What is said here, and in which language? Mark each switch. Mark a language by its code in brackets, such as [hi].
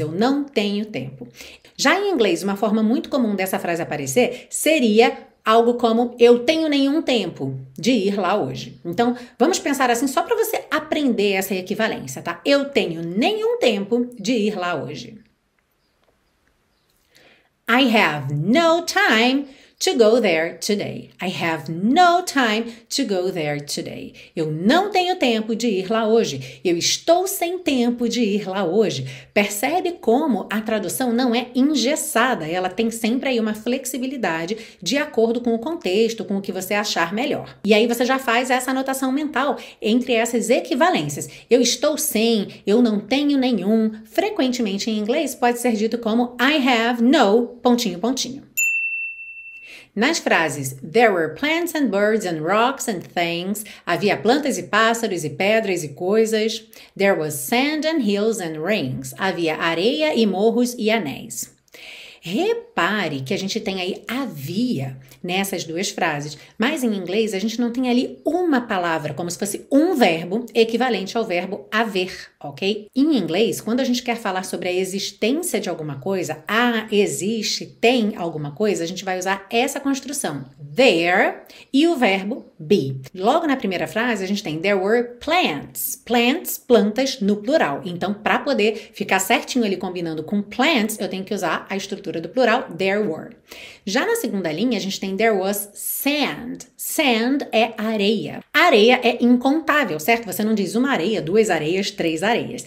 [pt] Eu não tenho tempo. Já em inglês, uma forma muito comum dessa frase aparecer seria algo como eu tenho nenhum tempo de ir lá hoje. Então, vamos pensar assim só para você aprender essa equivalência, tá? Eu tenho nenhum tempo de ir lá hoje. [en] I have no time to go there today. I have no time to go there today. [pt] Eu não tenho tempo de ir lá hoje. Eu estou sem tempo de ir lá hoje. Percebe como a tradução não é engessada, ela tem sempre aí uma flexibilidade de acordo com o contexto, com o que você achar melhor. E aí você já faz essa anotação mental entre essas equivalências. Eu estou sem, eu não tenho nenhum. Frequentemente em inglês pode ser dito como [en] I have no, [pt] pontinho, pontinho. Nas frases [en] There were plants and birds and rocks and things, [pt] havia plantas e pássaros e pedras e coisas. [en] There was sand and hills and rings, [pt] havia areia e morros e anéis. Repare que a gente tem aí havia nessas duas frases, mas em inglês a gente não tem ali uma palavra, como se fosse um verbo equivalente ao verbo haver, ok? Em inglês, quando a gente quer falar sobre a existência de alguma coisa, ah, existe, tem alguma coisa, a gente vai usar essa construção, there, e o verbo be. Logo na primeira frase, a gente tem [en] there were plants. [pt] Plants, plantas no plural. Então, para poder ficar certinho ali combinando com plants, eu tenho que usar a estrutura do plural, [en] there were. [pt] Já na segunda linha, a gente tem [en] there was sand. [pt] Sand é areia. Areia é incontável, certo? Você não diz uma areia, duas areias, três areias.